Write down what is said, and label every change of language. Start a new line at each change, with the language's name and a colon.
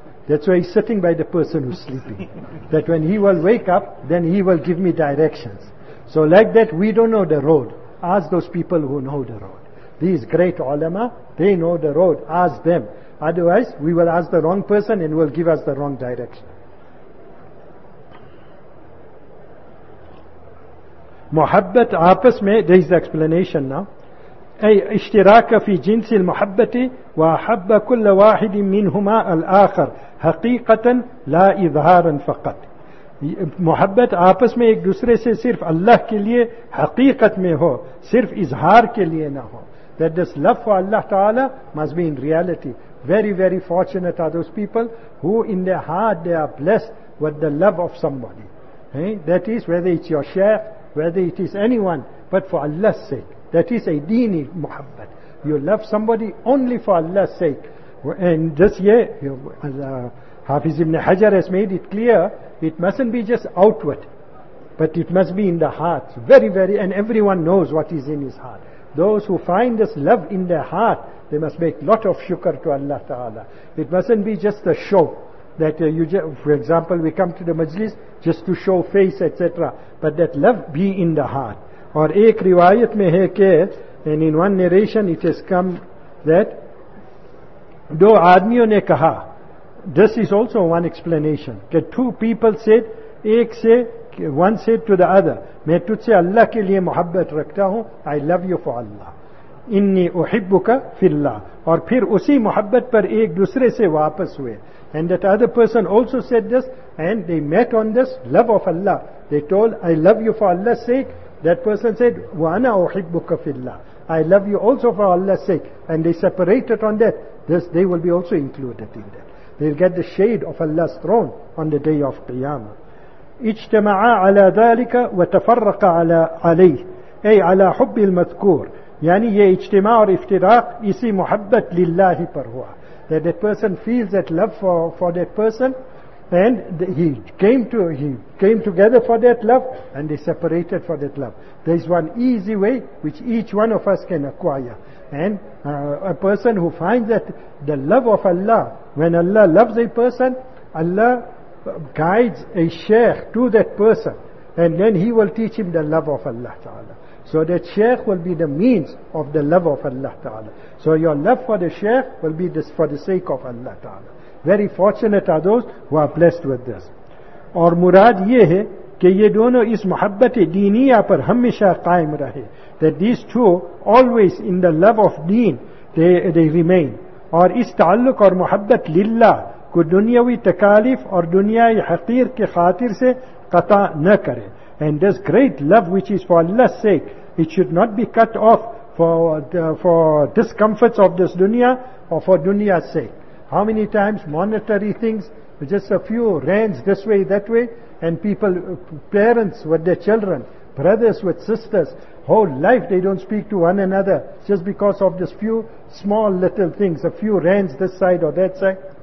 English: That's why he's sitting by the person who's sleeping. That when he will wake up, then he will give me directions. So like that, we don't know the road. Ask those people who know the road. These great ulama, they know the road. Ask them. Otherwise, we will ask the wrong person and will give us the wrong direction.
Urdu: محبت آپس میں,
English: there is the explanation now,
Arabic: اے اشتراک فی جنس المحبت وحب كل واحد منهما الآخر حقیقتا لا اظہارا فقط.
Urdu: محبت آپس میں ایک دوسرے سے صرف اللہ کے لیے حقیقت میں ہو, صرف اظہار کے لیے نہ ہو.
English: That this love for Allah Ta'ala must be in reality. Very, very fortunate are those people who in their heart they are blessed with the love of somebody. That is, whether it's your shaykh, whether it is anyone, but for Allah's sake. That is a deeni muhabbat. You love somebody only for Allah's sake. And this year, Hafiz ibn Hajar has made it clear, it mustn't be just outward, but it must be in the heart. Very, very, and everyone knows what is in his heart. Those who find this love in their heart, they must make lot of shukr to Allah Ta'ala. It mustn't be just a show. That for example, we come to the majlis just to show face, etc. But that love be in the heart.
Urdu: Or ek riwayat mein hai ke,
English: and in one narration it has come that
Urdu: do aadmiyon ne kaha.
English: This is also one explanation. That two people said, one said to the other,
Urdu: main tujhse Allah ke liye muhabbat rakhta hoon,
English: I love you for Allah.
Arabic: انی احبک فی اللہ,
Urdu: اور پھر اسی محبت پر ایک دوسرے سے واپس ہوئے.
English: And that other person also said this, and they met on this love of Allah. They told, I love you for Allah's sake. That person said,
Arabic: وَأَنَا أُحِبُّكَ فِي اللَّهِ,
English: I love you also for Allah's sake. And they separated on that. This, they will be also included in that. They'll get the shade of Allah's throne on the day of Qiyamah.
Arabic: اجتمعَ عَلَى ذَلِكَ وَتَفَرَّقَ عَلَى عَلَيْهِ, اے عَلَى حُبِّ الْمَذْكُورِ.
Urdu: یعنی یہ اجتماع اور افتراق اسی محبت للہ پر ہوا.
English: That person feels that love for that person, and he came together for that love, and they separated for that love. There is one easy way which each one of us can acquire, and a person who finds that the love of Allah, when Allah loves a person, Allah guides a sheikh to that person, and then he will teach him the love of Allah Ta'ala. So that sheikh will be the means of the love of Allah Ta'ala. So your love for the sheikh will be this for the sake of Allah Ta'ala. Very fortunate are those who are blessed with this.
Urdu: اور مراد یہ ہے کہ یہ دونوں اس محبت دینیہ پر ہمیشہ قائم رہے.
English: That these two always in the love of deen, they remain.
Urdu: اور اس تعلق اور محبت للہ کو دنیاوی تکالیف اور دنیای حقیر کے خاطر سے قطع نہ کرے.
English: And this great love which is for Allah's sake, it should not be cut off for discomforts of this dunya or for dunya's sake. How many times monetary things, just a few rands this way, that way, and people, parents with their children, brothers with sisters, whole life they don't speak to one another just because of this few small little things, a few rands this side or that side.